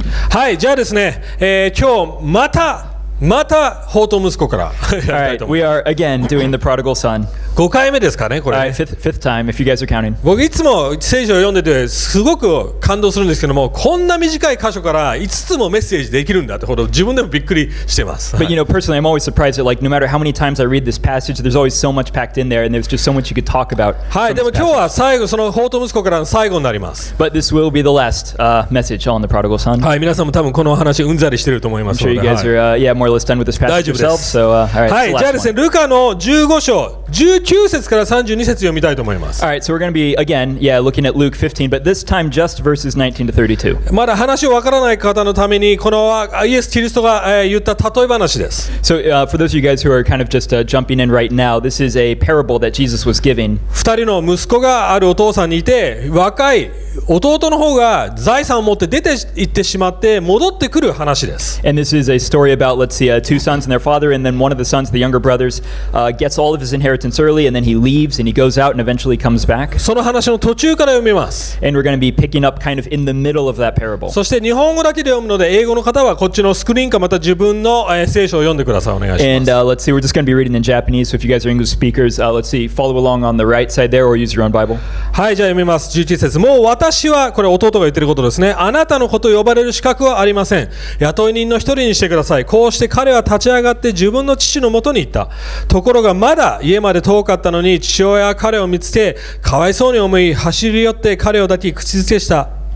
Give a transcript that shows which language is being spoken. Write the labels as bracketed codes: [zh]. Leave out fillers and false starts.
[ja] はい、じゃあですね、今日またまた放蕩息子から。 [en] Alright, we are again doing the prodigal son. [ja] 5回目ですかね、これ。 [en] Fifth time, if you guys are counting. [ja] 僕いつも聖書を読んでてすごく感動するんですけども、こんな短い箇所から5つもメッセージできるんだってほど自分でもびっくりしてます。 [en] But you know, personally, I'm always surprised that like no matter how many times I read this passage, there's always so much packed in there, and there's just so much you could talk about. [ja] はい、でも今日は最後その放蕩息子からの最後になります。 [en] But this will be the last message on the prodigal son. [ja] はい、皆さんも多分この話うんざりしてると思います。 [en] I'm sure you guys are, yeah, more. Done with this passage yourself, so, all right, [ja] はい、じゃあですね、ルカの15章、19節から32節読みたいと思います。 [en] All right, so we're going to be again, yeah, looking at Luke 15, but this time just verses 19 to 32. [ja] まだ話をわからない方のために、このイエス・キリストが言った例え話です。 [en] So, for those of you guys who are kind of just jumping in right now, this is a parable that Jesus was giving. [ja] 二人の息子があるお父さんにいて、若い弟の方が財産を持って出て行ってしまって戻ってくる話です。 [en] And this is a story about, let's see, two sons and their father, and then one of the sons, the younger brothers, gets all of his inheritance early, and then he leaves and he goes out and eventually comes back. [ja] その話の途中から読みます。 [en] And we're going to be picking up kind of in the middle of that parable. [ja] そして日本語だけで読むので、英語の方はこっちのスクリーンかまた自分の聖書を読んでください。お願いします。 [en] And let's see, we're just going to be reading in Japanese, so if you guys are English speakers, let's see, follow along on the right side there or use your own Bible. [ja] はい、じゃあ読みます。11節。もう私はこれ弟が言ってることですね。あなたのこと呼ばれる資格はありません。雇い人の一人にしてください。こうして彼は立ち上がって自分の父のもとに行った。ところがまだ家まで遠かったのに父親は彼を見つけかわいそうに思い走り寄って彼を抱き口づけした。